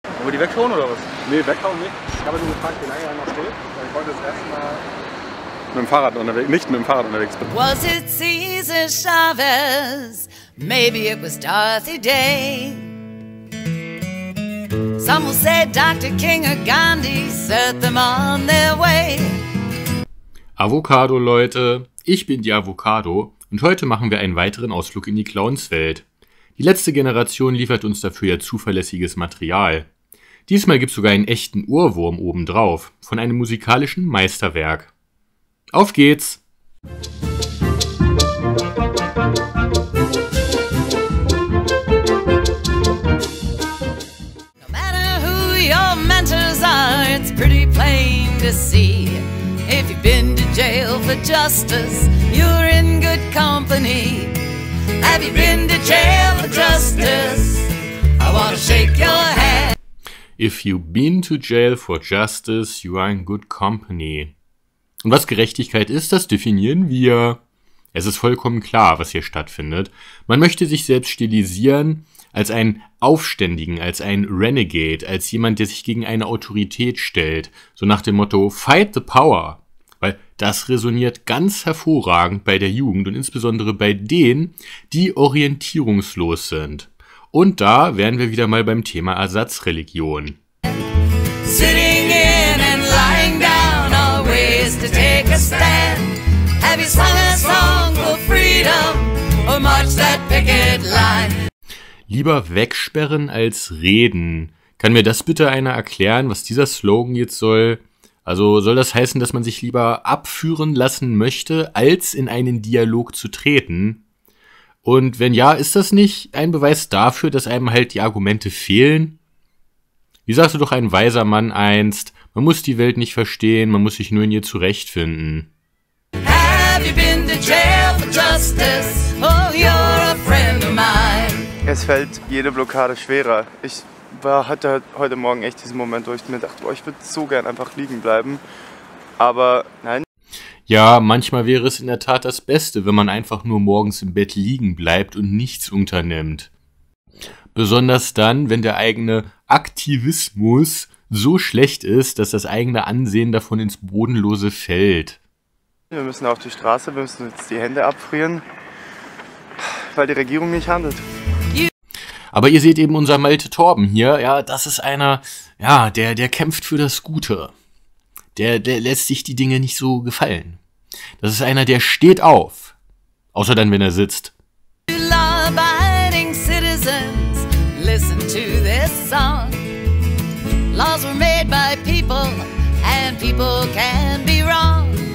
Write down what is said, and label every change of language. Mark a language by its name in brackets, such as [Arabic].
[German] Wollen wir die weghauen oder was? Nee, weghauen nicht. Ich habe nur gefragt, wie lange er noch steht. Ich wollte das erste Mal mit dem Fahrrad unterwegs, nicht mit dem Fahrrad unterwegs bin. [English] Was it Cesar Chavez? Maybe it was Dorothy Day. Some will say Dr. King or Gandhi set them on their way. [German] Avocado, Leute. Ich bin die Avocado und heute machen wir einen weiteren Ausflug in die Clownswelt. Die letzte Generation liefert uns dafür ja zuverlässiges Material. Diesmal gibt's sogar einen echten Urwurm obendrauf, von einem musikalischen Meisterwerk. Auf geht's! [English] No matter who your mentors are, it's pretty plain to see. If you've been to jail for justice, you're in good company. Have you been to jail for justice? I wanna shake your hand. If you've been to jail for justice, you are in good company. [German] Und was Gerechtigkeit ist, das definieren wir. Es ist vollkommen klar, was hier stattfindet. Man möchte sich selbst stilisieren als einen Aufständigen, als einen Renegade, als jemand, der sich gegen eine Autorität stellt. So nach dem Motto, [English] fight the power. [German] Weil das resoniert ganz hervorragend bei der Jugend und insbesondere bei denen, die orientierungslos sind. Und da wären wir wieder mal beim Thema Ersatzreligion. [English] Sitting in and lying down, always to take a stand. Have you sung a song for freedom or marched that picket line? [German] Lieber wegsperren als reden. Kann mir das bitte einer erklären, was dieser Slogan jetzt soll? Also soll das heißen, dass man sich lieber abführen lassen möchte, als in einen Dialog zu treten? Und wenn ja, ist das nicht ein Beweis dafür, dass einem halt die Argumente fehlen? Wie sagte doch ein weiser Mann einst, man muss die Welt nicht verstehen, man muss sich nur in ihr zurechtfinden. [English] Have you been to jail for justice? Oh, you're a friend of mine. [German] Es fällt jede Blockade schwerer. Ich hatte heute Morgen echt diesen Moment, wo ich mir dachte, boah, ich würde so gern einfach liegen bleiben. Aber nein. Ja, manchmal wäre es in der Tat das Beste, wenn man einfach nur morgens im Bett liegen bleibt und nichts unternimmt. Besonders dann, wenn der eigene Aktivismus so schlecht ist, dass das eigene Ansehen davon ins Bodenlose fällt. Wir müssen auf die Straße, wir müssen jetzt die Hände abfrieren, weil die Regierung nicht handelt. Aber ihr seht eben unser Malte Torben hier, ja, das ist einer, ja, der kämpft für das Gute. Der lässt sich die Dinge nicht so gefallen. Das ist einer, der steht auf. Außer dann, wenn er sitzt. [English] Law-abiding citizens, listen to this song. Laws were made by people, and people can be wrong.